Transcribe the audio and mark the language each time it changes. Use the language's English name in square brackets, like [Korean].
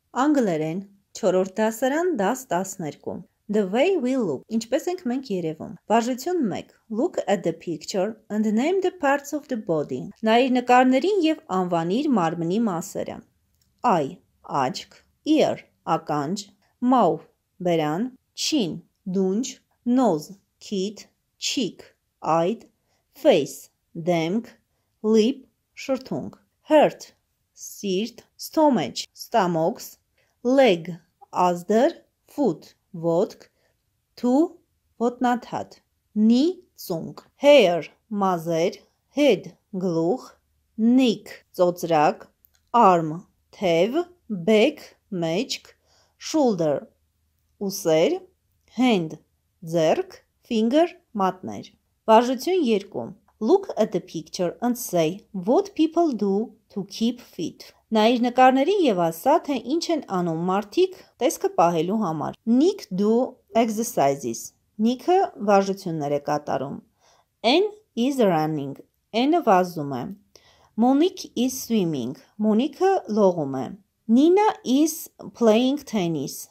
[Armenian] Անգլերեն 4-րդ դասարան [English] 10 12 The way we look. [Armenian] Ինչպես ենք մենք երևում։ Վարժություն 1. [English] Look at the picture and name the parts of the body. [Armenian] Նայիր նկարներին եւ անվանիր մարմնի մասերը։ Eye աչք, ear ականջ, mouth բերան, chin դունջ, nose քիթ, cheek այդ, face դեմք, lip շրթունք, heart սիրտ, stomach ստամոքս, leg ազդր, foot ոտք, toe ոտնաթաթ, knee ծունկ, hair մազեր, head գլուխ, neck ծոծրակ, arm թև, back մեջք, shoulder ուսեր, hand ձեռք, finger մատներ։ Վարժություն 2. [English] Look at the picture and say what people do to keep fit. [Armenian] Նայիր նկարներին եւ ասա, թե ինչ են անում մարդիկ տեսքը պահելու համար։ [English] Nick do exercises. [Armenian] Nick-ը վարժություններ է կատարում։ [English] N is running. [Armenian] N-ը վազում է։ [English] Monique is swimming. [Armenian] Monique-ը լողում է։ [English] Nina is playing tennis.